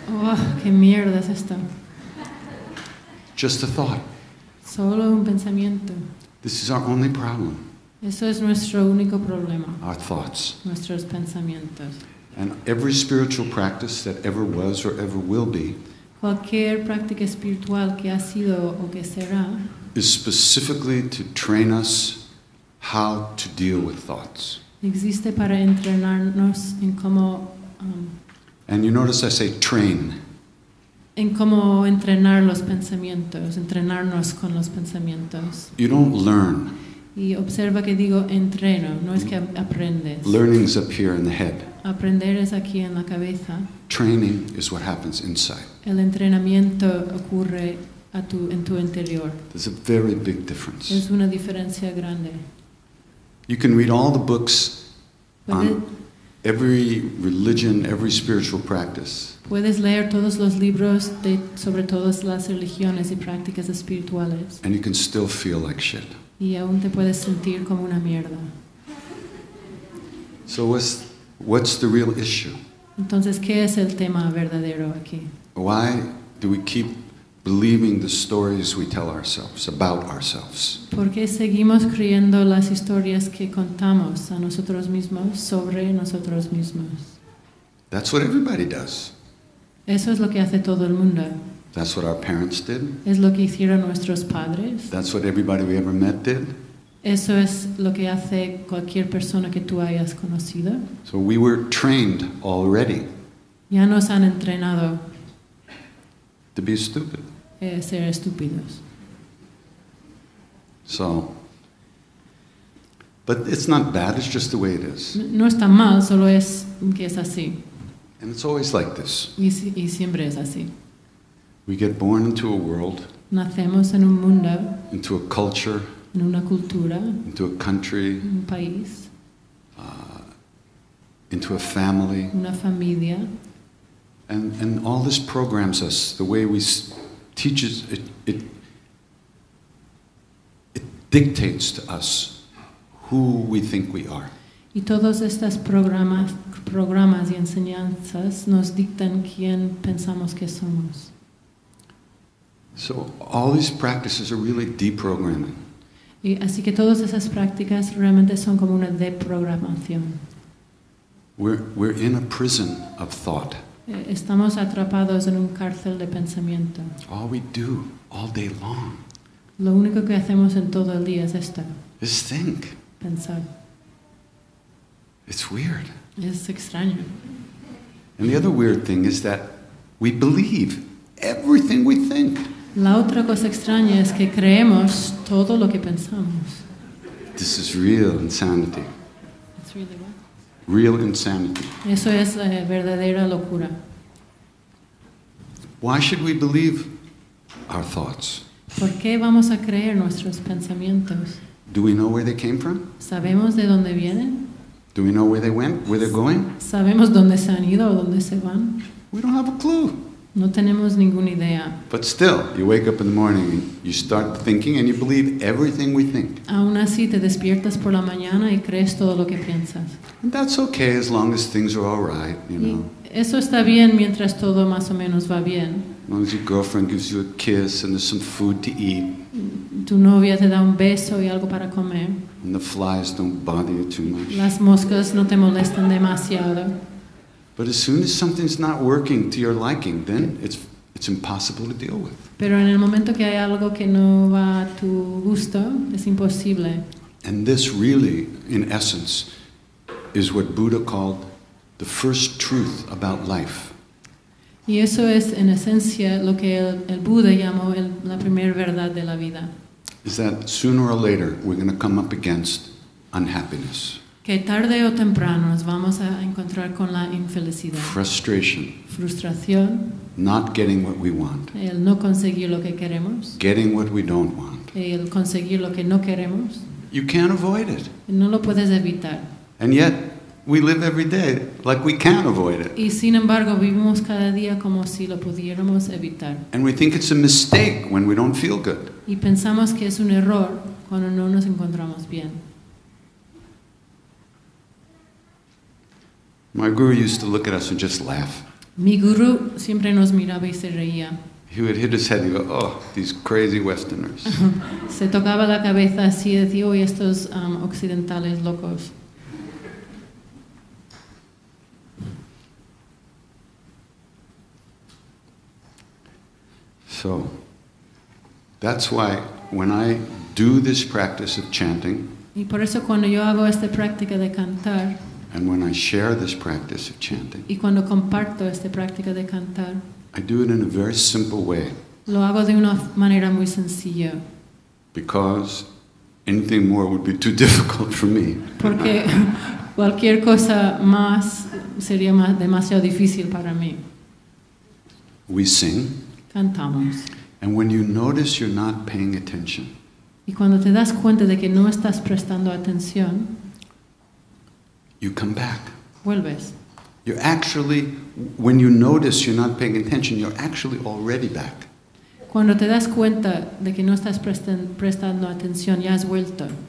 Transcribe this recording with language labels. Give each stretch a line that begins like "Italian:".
Spanish: Oh, qué mierda es esto.
English: Just a thought.
Spanish: Solo un pensamiento.
English: This is our only problem.
Spanish: Eso es nuestro único problema.
English: Our thoughts.
Spanish: Nuestros pensamientos.
English: And every spiritual practice that ever was or ever will be,
Spanish: cualquier práctica espiritual que ha sido o que será,
English: is specifically to train us how to deal with thoughts.
Spanish: Existe para entrenarnos en cómo,
English: and you notice I say train.
Spanish: En cómo entrenar los pensamientos, entrenarnos con los pensamientos.
English: You don't learn.
Spanish: Y observa que digo entreno, no es que aprendes.
English: Learning's up here in the head.
Spanish: Aprender es aquí en la cabeza.
English: Training is what happens inside.
Spanish: El entrenamiento ocurre en tu interior.
English: There's a very big difference.
Spanish: Es una diferencia grande.
English: You can read all the books on every religion, every spiritual practice.
Spanish: Puedes leer todos los libros sobre todas las religiones y prácticas espirituales.
English: And you can still feel like shit.
Spanish: Y aún te puedes sentir como una mierda.
English: So what's the real issue?
Spanish: Entonces, ¿qué es el tema verdadero aquí?
English: Why do we keep believing the stories we tell ourselves about ourselves?
Spanish: ¿Por qué seguimos creyendo las historias que contamos a nosotros mismos sobre nosotros mismos?
English: That's what everybody does.
Spanish: Eso es lo que hace todo el mundo.
English: That's what our parents did.
Spanish: Es lo que hicieron nuestros padres.
English: That's what everybody we ever met did.
Spanish: Eso es lo que hace cualquier persona que tú hayas conocido.
English: So we were trained already.
Spanish: Ya nos han entrenado.
English: To be stupid.
Spanish: Ser estúpidos.
English: So, but it's not bad, it's just the way it is.
Spanish: No está mal, solo es que es así.
English: And it's always like this.
Spanish: Y siempre es así.
English: We get born into a world.
Spanish: Nacemos en un mundo.
English: Into a culture.
Spanish: En una cultura.
English: Into a country.
Spanish: Un país.
English: Into a family.
Spanish: Una familia.
English: And all this programs us the way we teaches it. It dictates to us who we think we are.
Spanish: Y todos estos programas y enseñanzas nos dictan quién pensamos que somos.
English: So all these practices are really deprogramming.
Spanish: Y así que todas esas prácticas realmente son como una deprogramación.
English: We're in a prison of thought.
Spanish: Estamos atrapados en un cárcel de pensamiento.
English: All we do, all day long.
Spanish: Lo único que hacemos en todo el día es esto.
English: Just think.
Spanish: Pensar.
English: It's weird.
Spanish: Es extraño.
English: And the other weird thing is that we believe everything we think.
Spanish: La otra cosa extraña es que creemos todo lo que pensamos.
English: This is real insanity. It's really what? Real insanity.
Spanish: Eso es verdadera locura.
English: Why should we believe our thoughts?
Spanish: ¿Por qué vamos a creer nuestros pensamientos?
English: Do we know where they came from?
Spanish: ¿Sabemos de dónde vienen?
English: Do we know where they went, where they're going?
Spanish: ¿Sabemos dónde se han ido o dónde se van?
English: We don't have a clue.
Spanish: No tenemos ninguna idea.
English: But still, you wake up in the morning and you start thinking and you believe everything we think.
Spanish: Aún así, te despiertas por la mañana y crees todo lo que piensas.
English: And that's okay as long as things are all right, you know.
Spanish: Eso está bien mientras todo más o menos va bien.
English: As long as your girlfriend gives you a kiss and there's some food to eat.
Spanish: Tu novia te da un beso y algo para comer.
English: And the flies don't bother you too much.
Spanish: Las moscas no te molestan demasiado.
English: But as soon as something's not working to your liking, then it's impossible to deal with.
Spanish: Pero en el momento que hay algo que no va a tu gusto, es imposible.
English: And this really, in essence, is what Buddha called the first truth about life.
Spanish: Y eso es en esencia lo que el Buda llamó la primera verdad de la vida.
English: Is that sooner or later we're going to come up against unhappiness.
Spanish: Que tarde o temprano nos vamos a encontrar con la infelicidad.
English: Frustration.
Spanish: Frustración.
English: Not getting what we want.
Spanish: El no conseguir lo que queremos.
English: Getting what we don't want.
Spanish: El conseguir lo que no queremos.
English: You can't avoid it.
Spanish: No lo puedes evitar.
English: And yet we live every day like we can't avoid it.
Spanish: Y sin embargo vivimos cada día como si lo pudiéramos evitar.
English: And we think it's a mistake when we don't feel good.
Spanish: Y pensamos que es un error cuando no nos encontramos bien.
English: My guru used to look at us and just laugh.
Spanish: Mi guru siempre nos miraba y se reía.
English: He would hit his head and go, "Oh, these crazy Westerners."
Spanish: Se tocaba la cabeza así y decía, "Oh, estos occidentales locos."
English: So, that's why when I do this practice of chanting,
Spanish: y por eso cuando yo hago esta práctica de cantar,
English: and when I share this practice of chanting,
Spanish: y cuando comparto esta práctica de cantar,
English: I do it in a very simple way.
Spanish: Lo hago de una manera muy sencilla.
English: Because anything more would be too difficult for me.
Spanish: Porque cualquier cosa más sería demasiado difícil para mí.
English: We sing.
Spanish: Cantamos.
English: And when you notice you're not paying attention,
Spanish: y cuando te das cuenta de que no estás prestando atención,
English: you come back.
Spanish: Vuelves.
English: You're actually, when you notice you're not paying attention, you're actually already back.
Spanish: Cuando te das cuenta de que no estás prestando atención, ya has vuelto.